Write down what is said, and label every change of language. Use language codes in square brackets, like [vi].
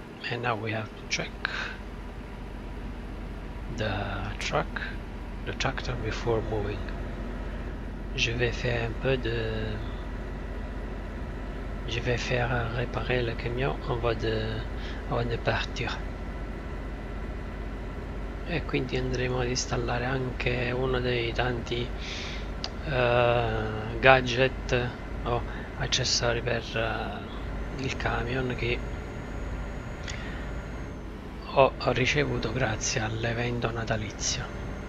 [en] And now we have to check the tractor before moving. [fr] Je vais faire réparer le camion avant de partir. [it] E quindi andremo ad installare anche uno dei tanti gadget o accessori per il camion che ho ricevuto grazie all'evento natalizio.